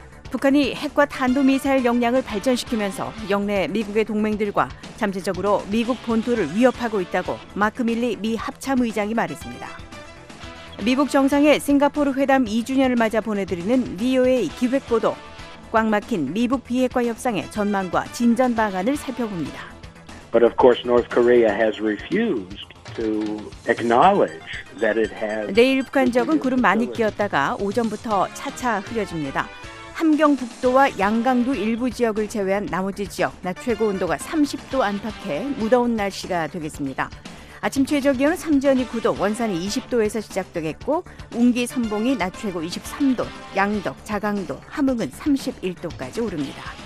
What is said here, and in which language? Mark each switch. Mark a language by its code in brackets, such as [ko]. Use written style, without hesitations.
[ko] 북한이 핵과 탄도미사일 역량을 발전시키면서 역내 미국의 동맹들과 잠재적으로 미국 본토를 위협하고 있다고 마크 밀리 미 합참의장이 말했습니다. 미국 정상의 싱가포르 회담 2주년을 맞아 보내드리는 VOA 기획보도. 꽉 막힌 미북 비핵화 협상의 전망과 진전 방안을 살펴봅니다. [en] But of course North Korea has refused to acknowledge that it has. [ko] 내일 북한 지역은 구름 많이 끼었다가 오전부터 차차 흐려집니다. 함경북도와 양강도 일부 지역을 제외한 나머지 지역, 낮 최고 온도가 30도 안팎의 무더운 날씨가 되겠습니다. 아침 최저기온은 삼전이 9도, 원산이 20도에서 시작되겠고 웅기 선봉이 낮 최고 23도, 양덕, 자강도, 함흥은 31도까지 오릅니다.